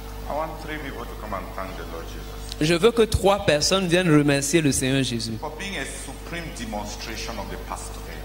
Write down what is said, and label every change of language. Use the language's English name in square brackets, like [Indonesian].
[English] I want three people to come and thank the Lord Jesus. [French] Je veux que trois personnes viennent remercier le Seigneur Jésus. [English] For being a supreme demonstration of the pastor.